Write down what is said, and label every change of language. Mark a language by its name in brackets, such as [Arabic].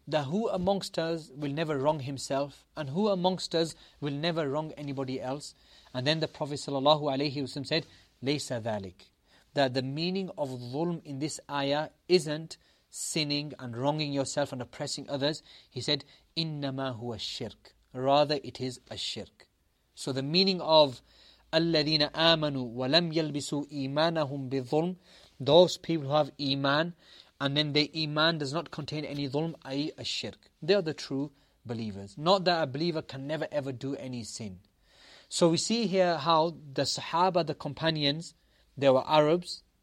[English] That who amongst us will never wrong himself, and who amongst us will never wrong anybody else. And then the Prophet sallallahu alaihi wasallam said, [Arabic] لَيْسَ ذَلِكَ. [English] That the meaning of dhulm in this ayah isn't sinning and wronging yourself and oppressing others. He said, [Arabic] إِنَّمَا هُوَ الشِّرْكُ. [English] Rather, it is a shirk. So the meaning of [Arabic] الَّذِينَ آمَنُوا وَلَمْ يَلْبِسُوا إِيمَانَهُمْ بِظُلْمٍ. [English] Those people who have iman, and then their iman does not contain any dhulm, i.e. a shirk. They are the true believers. Not that a believer can never ever do any sin. So we see here how the Sahaba, the companions, they were Arabs.